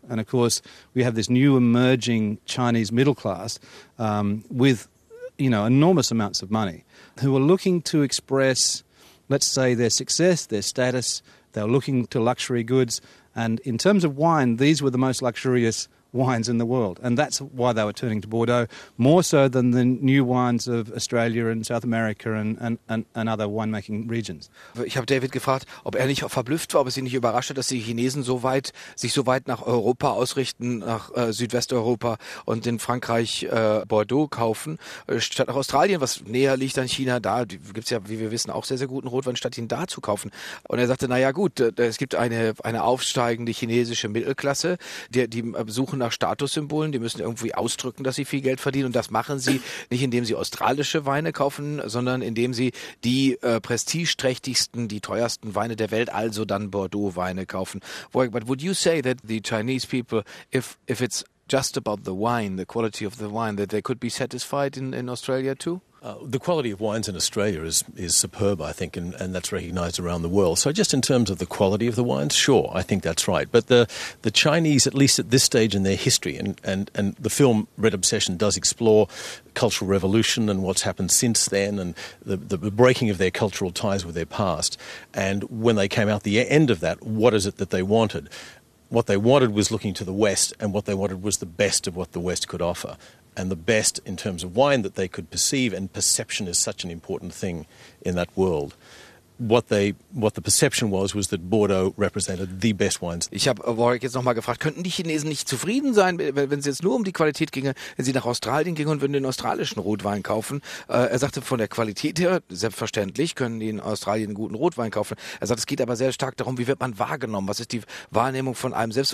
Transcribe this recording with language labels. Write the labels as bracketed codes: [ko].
[en] And of course, we have this new emerging Chinese middle class with, you know, enormous amounts of money, who are looking to express, let's say, their success, their status. They're looking to luxury goods. And in terms of wine, these were the most luxurious wines in the world. And that's why they were turning to Bordeaux, more so than the new wines of Australia and South America and other winemaking regions. [de] Ich habe David gefragt, ob er nicht verblüfft war, ob es ihn nicht überrascht hat, dass die Chinesen sich so weit nach Europa ausrichten, nach Südwesteuropa und in Frankreich Bordeaux kaufen, statt nach Australien, was näher liegt an China. Da gibt es ja, wie wir wissen, auch sehr, sehr guten Rotwein, statt ihn da zu kaufen. Und er sagte, naja gut, es gibt eine aufsteigende chinesische Mittelklasse, die suchen nach Statussymbolen, die müssen irgendwie ausdrücken, dass sie viel Geld verdienen, und das machen sie nicht, indem sie australische Weine kaufen, sondern indem sie die prestigeträchtigsten, die teuersten Weine der Welt, also dann Bordeaux-Weine kaufen. [en] But would you say that the Chinese people, if it's just about the wine, the quality of the wine, that they could be satisfied in Australia too? The quality of wines in Australia is superb, I think, and that's recognized around the world. So just in terms of the quality of the wines, sure, I think that's right. But the Chinese, at least at this stage in their history, and the film Red Obsession does explore Cultural Revolution and what's happened since then, and the breaking of their cultural ties with their past. And when they came out the end of that, what is it that they wanted? What they wanted was looking to the West, and what they wanted was the best of what the West could offer. And the best in terms of wine that they could perceive, and perception is such an important thing in that world. What the perception was that Bordeaux represented the best wines. [de] Ich habe Warwick jetzt nochmal gefragt, könnten die Chinesen nicht zufrieden sein, wenn sie jetzt nur um die Qualität gingen, wenn sie nach Australien gingen und würden den australischen Rotwein kaufen? Er sagte, von der Qualität her, selbstverständlich, können die in Australien einen guten Rotwein kaufen. Er sagt, es geht aber sehr stark darum, wie wird man wahrgenommen? Was ist die Wahrnehmung von einem selbst?